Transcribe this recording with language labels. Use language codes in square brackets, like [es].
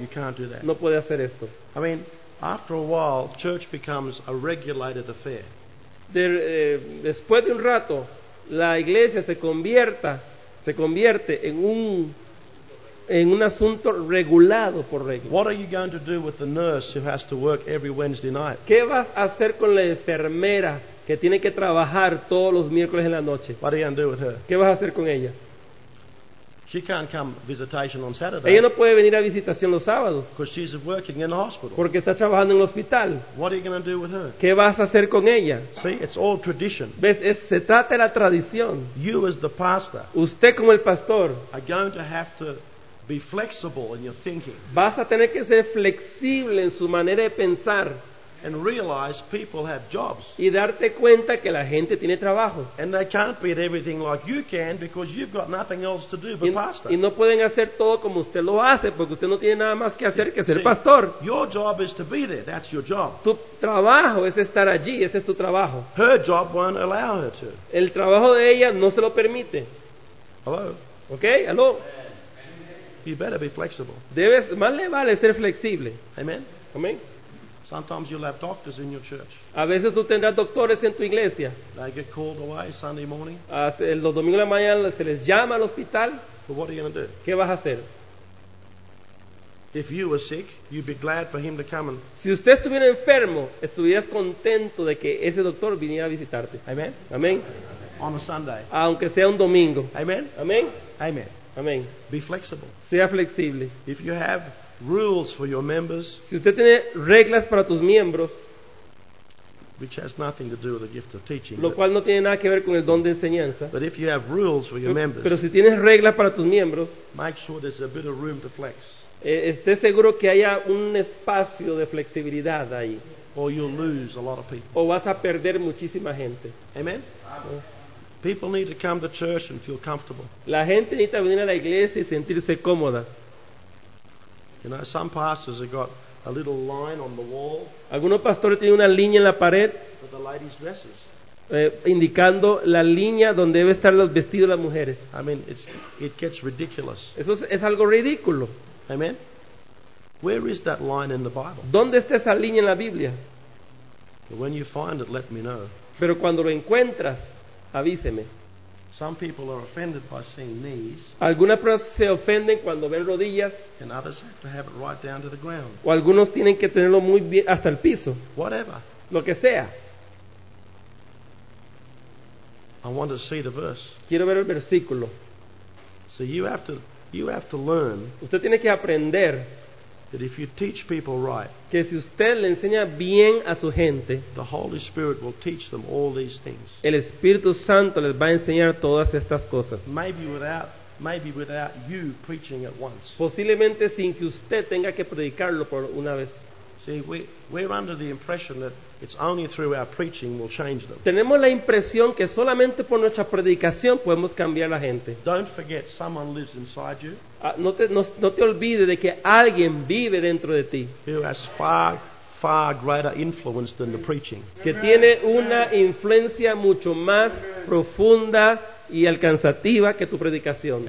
[en] you can't do that. [es] No puede hacer esto. [en] I mean, after a while, church becomes a regulated affair. [es] Después de un rato, la iglesia se convierte en un asunto regulado por reglas. [en] What are you going to do with the nurse who has to work every Wednesday night? [es] ¿Qué vas a hacer con la enfermera que tiene que trabajar todos los miércoles en la noche? [en] What are you going to do with her? [es] ¿Qué vas a hacer con ella? [en] She can't come visitation on Saturday. [es] Ella no puede venir a visitación los sábados. [en] Because she's working in the hospital. [es] Porque está trabajando en el hospital. [en] What are you going to do with her? [es] ¿Qué vas a hacer con ella? [en] See, it's all tradition. [es] ¿Ves? Se trata de la tradición. [en] You as the pastor. [es] Usted como el pastor. [en] Are going to have to be flexible in your thinking. [es] Vas a tener que ser flexible en su manera de pensar. [en] And realize people have jobs. [es] Y darte cuenta que la gente tiene trabajos. [en] And they can't be at everything like you can because you've got nothing else to do but pastor. [es] Y no pueden hacer todo como usted lo hace porque usted no tiene nada más que hacer que ser pastor. [en] Your job is to be there. That's your job. [es] Tu trabajo es estar allí. Ese es tu trabajo. [en] Her job won't allow her to. [es] El trabajo de ella no se lo permite. [en] Hello. Okay. Hello. You better be flexible. [es] Debes, más le vale ser flexible. [en] Amen. [es] Amen. [en] Sometimes you'll have doctors in your church. [es] A veces tú tendrás doctores en tu iglesia. [en] They get called away Sunday morning. [es] Los domingos de la mañana se les llama al hospital. [en] But what are you going to do? [es] ¿Qué vas a hacer? [en] If you were sick, you'd be glad for him to come and. [es] Si usted estuviera enfermo, estuvieras contento de que ese doctor viniera a visitarte. [en] Amen. [es] Amen. [en] On a Sunday. [es] Aunque sea un domingo. [en] Amen. [es] Amen. [en] Amen. [es] Amen. [en] Be flexible. [es] Sea flexible. [en] If you have rules for your members. [es] Si usted tiene reglas para tus miembros. [en] Which has nothing to do with the gift of teaching. [es] Lo cual no tiene nada que ver con el don de enseñanza. [en] But if you have rules for your members. [es] Pero si tienes reglas para tus miembros. [en] Make sure there's a bit of room to flex. [es] Esté seguro que haya un espacio de flexibilidad ahí. [en] Or you'll lose a lot of people. [es] O vas a perder muchísima gente. [en] Amen. People need to come to church and feel comfortable. [es] La gente necesita venir a la iglesia y sentirse cómoda. [en] You know, some pastors have got a little line on the wall. [es] Algunos pastores tienen una línea en la pared. [en] For the ladies' dresses. [es] indicando la línea donde debe estar los vestidos de las mujeres. [en] I mean, it gets ridiculous. [es] Eso es algo ridículo. [en] Amen. Where is that line in the Bible? [es] ¿Dónde está esa línea en la Biblia? [en] But when you find it, let me know. [es] Pero cuando lo encuentras, avíseme. [en] Some people are offended by seeing knees. [es] Algunas personas se ofenden cuando ven rodillas. [en] And others have to have it right down to the ground. [es] O algunos tienen que tenerlo muy bien hasta el piso. [en] Whatever. [es] Lo que sea. [en] I want to see the verse. [es] Quiero ver el versículo. [en] So you have to learn. [es] Usted tiene que aprender. [en] That if you teach people right, [es] que si usted le enseña bien a su gente, [en] the Holy Spirit will teach them all these things. [es] El Espíritu Santo les va a enseñar todas estas cosas. [en] Maybe without you preaching at once. [es] Posiblemente sin que usted tenga que predicarlo por una vez. [en] See, we're under the impression that it's only through our preaching we'll change them. [es] Tenemos la impresión que solamente por nuestra predicación podemos cambiar a la gente. [en] Don't forget, someone lives inside you. [es] No te olvides de que alguien vive dentro de ti. [en] Who has far, far greater influence than the preaching. [es] Que tiene una influencia mucho más profunda y alcanzativa que tu predicación.